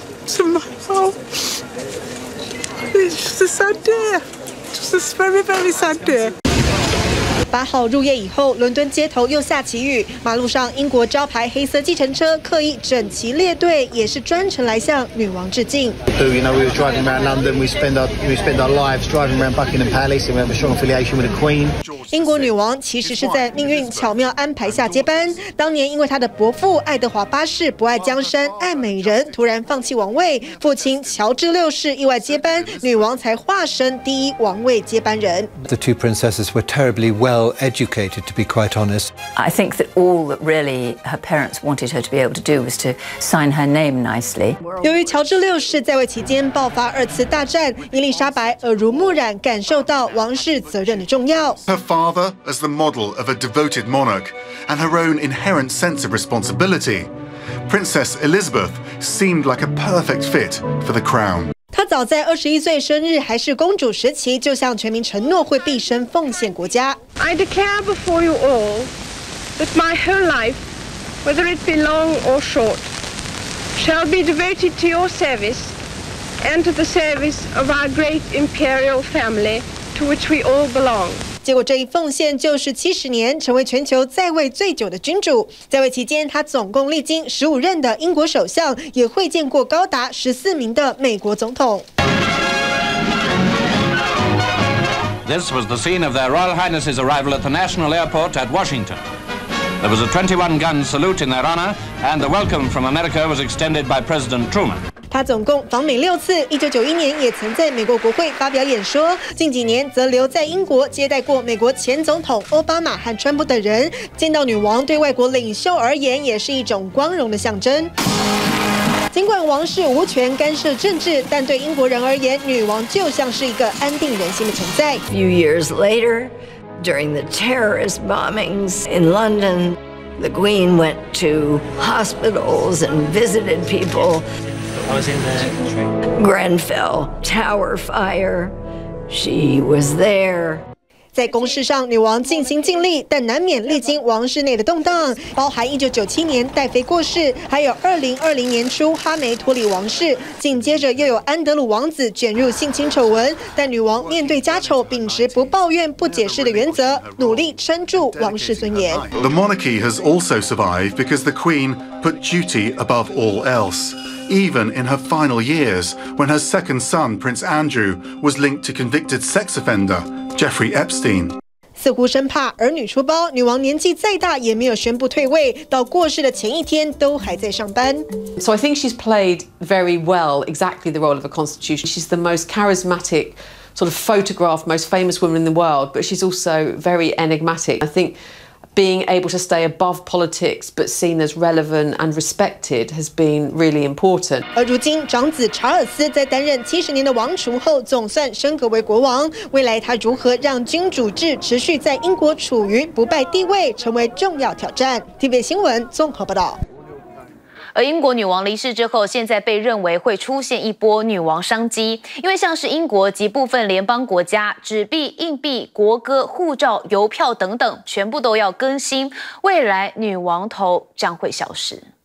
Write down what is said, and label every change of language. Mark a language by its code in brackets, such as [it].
[en] Somehow, it's just a sad day. Just a very, very sad day. [zh] 8号入夜以后，伦敦街头又下起雨，马路上英国招牌黑色计程车刻意整齐列队，也是专程来向女王致敬。 [en] So, you know, we were driving around London, we spend our lives driving around Buckingham Palace, and we have a strong affiliation with the Queen. [zh] 英国女王其实是在命运巧妙安排下接班。当年因为她的伯父爱德华八世不爱江山爱美人，突然放弃王位，父亲乔治六世意外接班，女王才化身第一王位接班人。 [en] The two princesses were terribly well educated, to be quite honest. I think that all that really her parents wanted her to be able to do was to sign her name nicely. [zh] 由于乔治六世在位期间爆发二次大战，伊丽莎白耳濡目染，感受到王室责任的重要。 [en] Her father as the model of a devoted monarch, and her own inherent sense of responsibility, Princess Elizabeth seemed like a perfect fit for the crown. [zh] 她早在21岁生日，还是公主时期，就向全民承诺会毕生奉献国家。 [en] I declare before you all that my whole life, whether it be long or short, shall be devoted to your service and to the service of our great imperial family to which we all belong. [zh] 结果这一奉献就是70年，成为全球在位最久的君主。在位期间，他总共历经15任的英国首相，也会见过高达14名的美国总统。 [en] This was the scene of their Royal Highness's arrival at the National Airport at Washington. There was a 21-gun salute in their honor, and the welcome from America was extended by President Truman. [zh] 他总共访美6次，1991年也曾在美国国会发表演说，近几年则留在英国接待过美国前总统奥巴马和川普等人。见到女王对外国领袖而言也是一种光荣的象征。尽管王室无权干涉政治，但对英国人而言，女王就像是一个安定人心的存在。 [en] Few years later, during the terrorist bombings in London, the Queen went to hospitals and visited people. Grenfell Tower fire. She was there. [zh] 在公事上，女王尽心尽力，但难免历经王室内的动荡，包含1997年戴妃过世，还有2020年初哈梅脱离王室，紧接着又有安德鲁王子卷入性侵丑闻。但女王面对家丑，秉持不抱怨、不解释的原则，努力撑住王室尊严。 [en] The monarchy has also survived because the Queen put duty above all else. Even in her final years, when her second son, Prince Andrew, was linked to convicted sex offender Jeffrey Epstein. [zh] 似乎生怕儿女出包，女王年纪再大也没有宣布退位，到过世的前一天都还在上班。 [en] So I think she's played very well exactly the role of a constitution. She's the most charismatic, sort of photographed, most famous woman in the world, but she's also very enigmatic. I think being able to stay above politics but seen as relevant and respected has been really important. [zh] 而如今长子查尔斯在担任70年的王储后总算升格为国王，未来他如何让君主制持续在英国处于不败地位，成为重要挑战。 TVBS 新闻综合报道。而英国女王离世之后，现在被认为会出现一波女王商机，因为像是英国及部分联邦国家，纸币、硬币、国歌、护照、邮票等等，全部都要更新，未来女王头将会消失。